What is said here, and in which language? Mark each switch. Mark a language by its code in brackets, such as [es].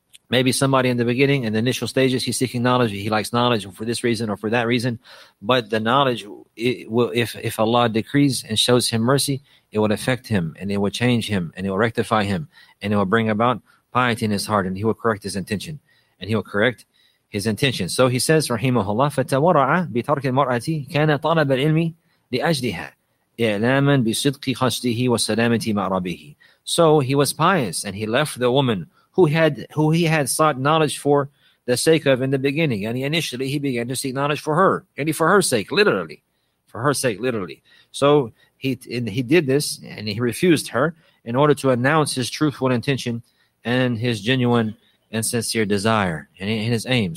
[en] Maybe somebody in the beginning, in the initial stages, he's seeking knowledge. He likes knowledge for this reason or for that reason. But the knowledge, if Allah decrees and shows him mercy, it will affect him and it will change him and it will rectify him and it will bring about piety in his heart and he will correct his intention and he will correct his intention. So he says, [ar] rahimahullah, فَتَوَرَعَ بِتَرْكِ الْمَرْأَةِ كَانَ طَلَبَ الْعِلْمِ لِأَجْلِهَا إِعْلَامًا بِصِدْقِ خَشْتِهِ وَسَلَامَةِ مَعْرَبِهِ. [en] So he was pious and he left the woman who he had sought knowledge for the sake of in the beginning. And initially he began to seek knowledge for her, and for her sake, literally. For her sake, literally. So he did this and he refused her in order to announce his truthful intention and his genuine and sincere desire and his aim.